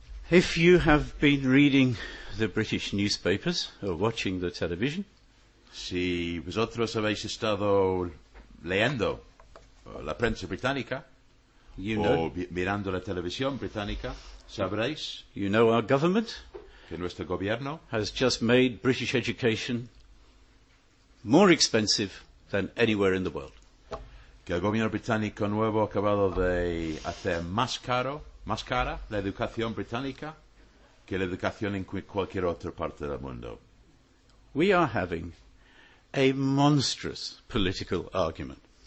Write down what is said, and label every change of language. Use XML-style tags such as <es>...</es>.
<en>If you have been reading the British newspapers or watching the television,</en> <es>si vosotros habéis estado leyendo la prensa británica,</es> <en>you know,</en> <es>o mirando la televisión británica, sabréis,</es> <en>you know, our government,</en> <es>que nuestro gobierno</es> <en>has just made British education more expensive than anywhere in the world.</en> <es>Que el gobierno británico nuevo ha acabado de hacer más cara la educación británica que la educación en cualquier otra parte del mundo.</es> <en>We are having a monstrous political argument.</en>